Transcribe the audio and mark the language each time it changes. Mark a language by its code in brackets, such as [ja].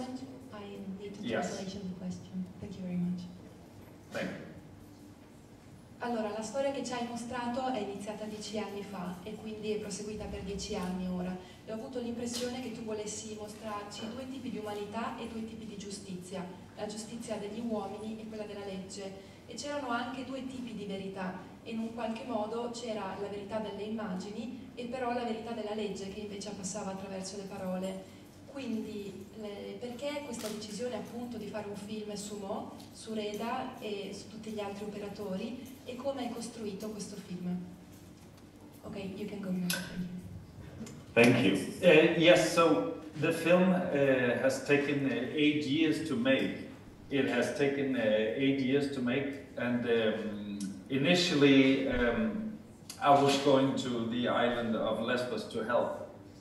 [en] Just for a moment, I need to translate the question. Thank you very much. Thank you. [it] Allora, la storia che ci hai mostrato è iniziata 10 anni fa e quindi è proseguita per 10 anni ora. E ho avuto l'impressione che tu volessi mostrarci due tipi di umanità e due tipi di giustizia. La giustizia degli uomini e quella della legge. E c'erano anche due tipi di verità. In un qualche modo c'era la verità delle immagini e però la verità della legge che invece passava attraverso le parole. Quindi perché questa decisione appunto di fare un film su Mo, su Reda e su tutti gli altri operatori e come è costruito questo film? [en] Ok, you can go now. Thank you. Yes, so the film has taken 8 years to make. It has taken 8 years to make, and initially I was going to the island of Lesbos to help.